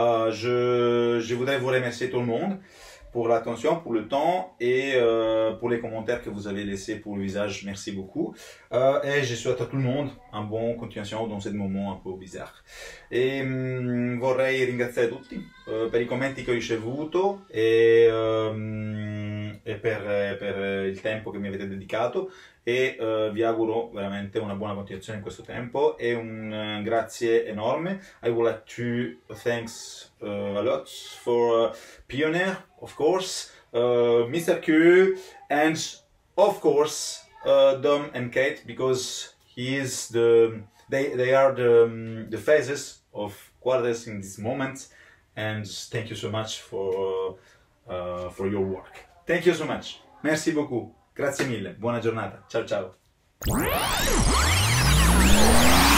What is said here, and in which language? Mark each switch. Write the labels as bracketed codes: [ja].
[fr] Je voudrais vous remercier tout le monde pour l'attention, pour le temps et pour les commentaires que vous avez laissés pour le visage. Merci beaucoup. Et je souhaite à tout le monde un bon continuation dans ce moment un peu bizarre. [it] Et vorrei ringraziare tutti per i commenti che ho ricevuto e per il tempo che mi avete dedicato. E vi auguro veramente una buona continuazione in questo tempo. E un grazie enorme. [en] I would like to thank a lot for Pioneer, of course, Mr. Q, and of course Dom and Kate, because they are the faces of Quartes in this moment. And thank you so much for your work. Thank you so much. [fr] Merci beaucoup. [it] Grazie mille, buona giornata. Ciao ciao.